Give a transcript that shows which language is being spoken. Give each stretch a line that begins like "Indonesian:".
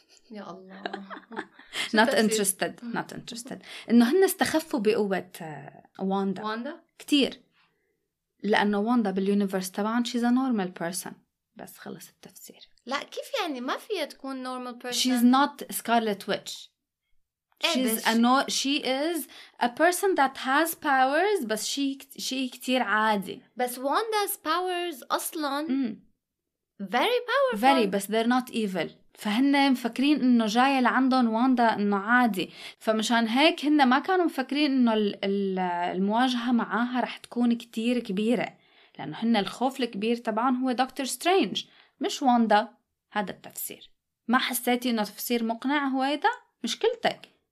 Arabic: يا الله
English: not interested
Arabic: انه هن استخفوا بقوه واندا كتير لانه واندا باليونيفرس تبعهم
English: she's a normal person
Arabic: بس خلص التفسير لا كيف يعني ما فيها تكون
English: normal person she's not scarlet witch She's a no, she is a person that has powers, but she
Arabic: كتير عادي. بس
English: Wanda's powers
Arabic: أصلاً
English: very powerful. Very, but they're not evil.
Arabic: فهن مفكرين إنه جاي لعندهم واندا إنه عادي. فمشان هيك هن ما كانوا مفكرين إنه المواجهة معاها رح تكون كتير كبيرة. لأنه هن الخوف الكبير تبعهم هو دكتور سترينج مش واندا. هذا التفسير. ما حسيتي إنه تفسير مقنع هو هيدا؟ مشكلتك.